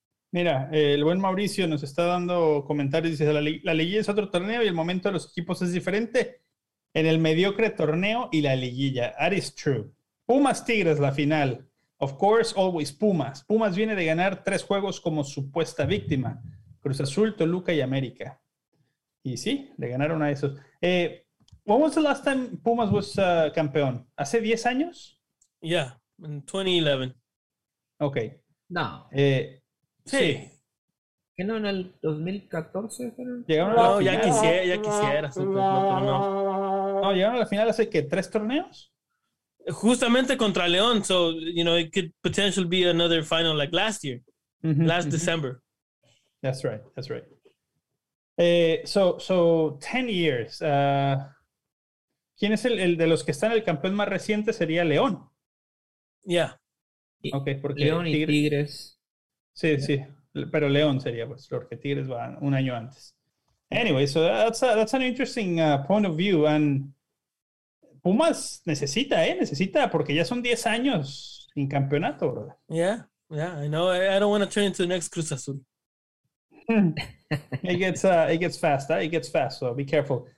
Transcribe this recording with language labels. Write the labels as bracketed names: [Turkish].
[Spanish] Mira, el buen Mauricio nos está dando comentarios, dice, la liguilla es otro torneo y el momento de los equipos es diferente. En el mediocre torneo y la liguilla. [English] That is true. [Spanish] Pumas-Tigres, la final. [English] Of course, always Pumas. [Spanish] Pumas viene de ganar 3 juegos como supuesta víctima. Cruz Azul, Toluca y América. Y sí, le ganaron a esos. [English] When was the last time Pumas was campeón? [Spanish] ¿Hace 10 años? [English] Yeah, in 2011. Ok. [Spanish] No. Sí. ¿Que no en el 2014? Llegaron a la final. Ya quisiera. No, llegaron a la final hace, ¿qué? ¿3 torneos? Justamente contra León. [English] So, you know, it could potentially be another final like last year. Mm-hmm, last mm-hmm. December. That's right. That's right. So 10 years. [Spanish] ¿Quién es el de los que están el campeón más reciente? Sería León. [English] Yeah. [Spanish] Okay, porque León y Tigres. Sí, yeah. Sí. Pero León sería, pues, porque Tigres va un año antes. [English] Anyway, so that's an interesting point of view. [Spanish] And Pumas necesita, porque ya son 10 años sin campeonato, bro. [English] Yeah, I know. I don't want to turn into the next Cruz Azul. It gets fast, so be careful.